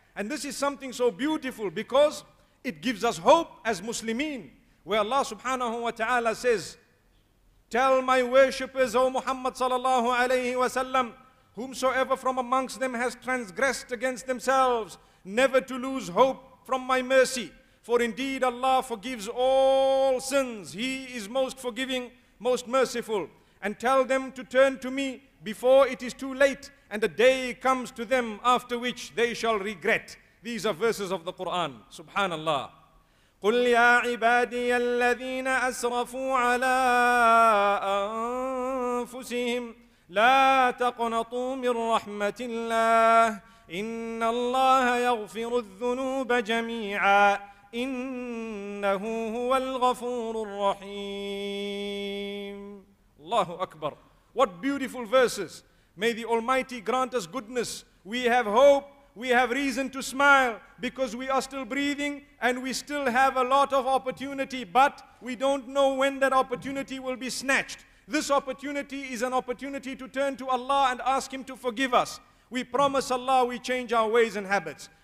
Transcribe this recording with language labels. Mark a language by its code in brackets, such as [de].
[en] And this is something so beautiful because it gives us hope as Muslimin, where Allah subhanahu wa ta'ala says, "Tell my worshippers, O Muhammad sallallahu alayhi wa sallam, whomsoever from amongst them has transgressed against themselves, never to lose hope from my mercy. For indeed Allah forgives all sins. He is most forgiving, most merciful. And tell them to turn to me before it is too late, and a day comes to them after which they shall regret." These are verses of the Quran. Subhanallah. [ar] قُلْ يَا عِبَادِيَ الَّذِينَ أَسْرَفُوا عَلَىٰ أَنفُسِهِمْ لا تقنطوا من رحمة الله إن الله يغفر الذنوب جميعا إنه هو الغفور الرحيم. [en] Allahu Akbar. What beautiful verses. May the Almighty grant us goodness. We have hope, we have reason to smile because we are still breathing and we still have a lot of opportunity, but we don't know when that opportunity will be snatched. This opportunity is an opportunity to turn to Allah and ask Him to forgive us. We promise Allah we change our ways and habits.